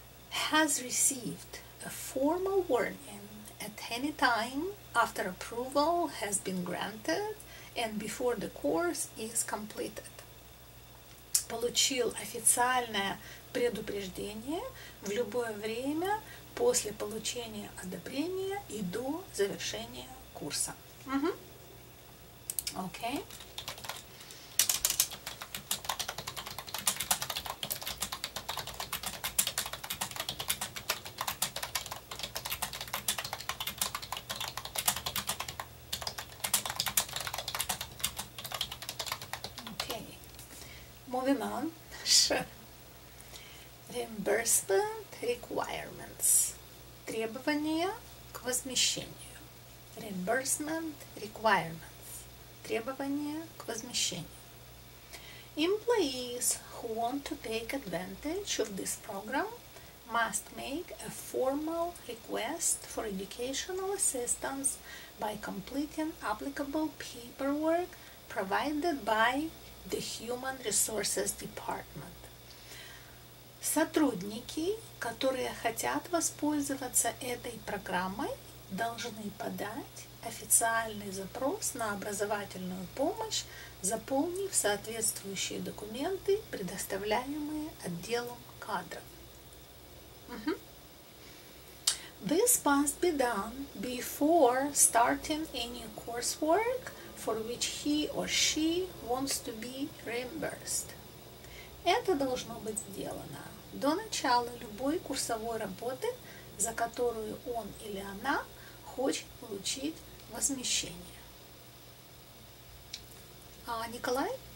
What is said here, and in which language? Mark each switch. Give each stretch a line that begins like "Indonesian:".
English: Has received a formal warning at any time after approval has been granted and before the course is completed.
Russian: Получил официальное предупреждение в любое время после получения одобрения и до завершения курса.
English: Mm-hmm. Okay. Moving on, sure. Reimbursement requirements.
Russian: Требования к возмещению.
English: Reimbursement requirements.
Russian: Требования к возмещению.
English: Employees who want to take advantage of this program must make a formal request for educational assistance by completing applicable paperwork provided by the Human Resources Department.
Russian: Сотрудники, которые хотят воспользоваться этой программой, должны подать официальный запрос на образовательную помощь, заполнив соответствующие документы, предоставляемые отделом кадров.
English: This must be done before starting any coursework for which he or she wants to be reimbursed.
Russian: Это должно быть сделано до начала любой курсовой работы, за которую он или она хочет получить возмещение. А Николай?